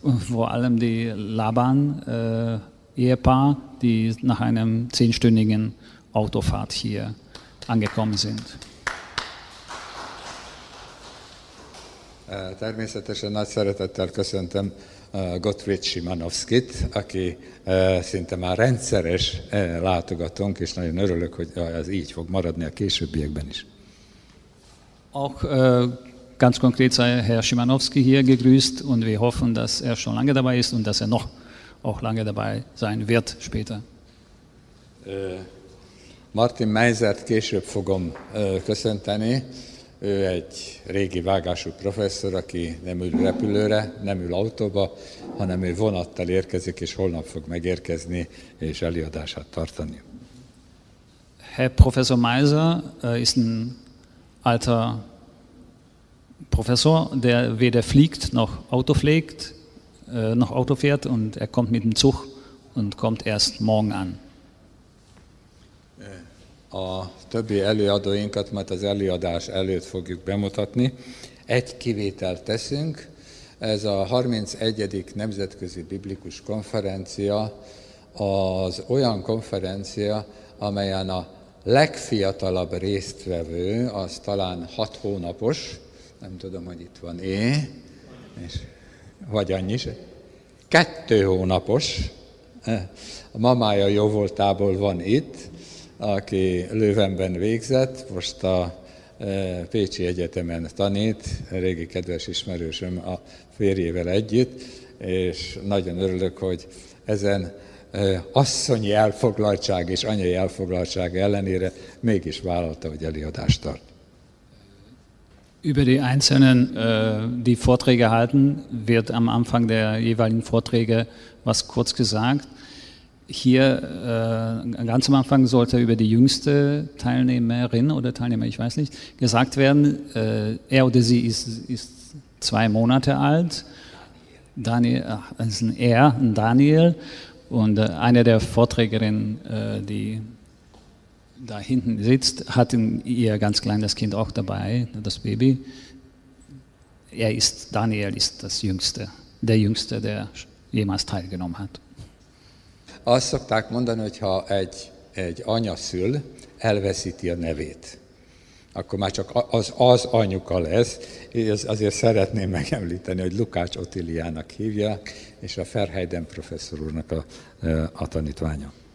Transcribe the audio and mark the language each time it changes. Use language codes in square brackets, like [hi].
[de] Vor allem die Labán Ehepaar, die nach einem 10-stündigen Autofahrt hier angekommen sind. [hu] Természetesen nagy szeretettel köszöntöm Gottfried Szymanowskit, aki szinte már rendszeres látogatónk, és nagyon örülök, hogy ez így fog maradni a későbbiekben is. [de] Auch ganz konkret sei Herr Szymanowski hier gegrüßt, und wir hoffen, dass er schon lange dabei ist und dass er noch auch lange dabei sein wird später. [hu] Martin Meisert később fogom köszönteni. Ő egy régi vágású professzor, aki nem ül repülőre, nem ül autóba, hanem ő vonattal érkezik, és holnap fog megérkezni és előadását tartani. [de] Herr Professor Meiser ist ein alter Professor, der weder fliegt noch Auto fliegt. Noch Auto fährt, und er kommt mit dem Zug und kommt erst morgen an. [hu] A többi előadóinkat majd az előadás előtt fogjuk bemutatni. Egy kivételt teszünk. Ez a 31. Nemzetközi Biblikus Konferencia az olyan konferencia, amelyen a legfiatalabb résztvevő az talán 6 hónapos. Nem tudom, hogy itt van én. És vagy annyi se. 2 hónapos, a mamája jóvoltából van itt, aki Löwenben végzett, most a Pécsi Egyetemen tanít, régi kedves ismerősöm a férjével együtt, és nagyon örülök, hogy ezen asszonyi elfoglaltság és anyai elfoglaltság ellenére mégis vállalta, hogy előadást tart. [de] Über die einzelnen die Vorträge halten, wird am Anfang der jeweiligen Vorträge was kurz gesagt. Hier ganz am Anfang sollte über die jüngste Teilnehmerin oder Teilnehmer, ich weiß nicht, gesagt werden, er oder sie ist 2 Monate alt. Daniel. Und eine der Vorträgerinnen, die da hinten sitzt, hat ihr ganz kleines Kind auch dabei, das Baby. Daniel ist das Jüngste, der Jüngste, der jemals teilgenommen hat. [hu] Azt szokták mondani, hogy ha egy anya szül, elveszíti a nevét, akkor már csak az anyuka lesz. Azért szeretném megemlíteni, hogy Lukács Otiliának hívják, és a Verheyden professzor úrnak a tanítványa.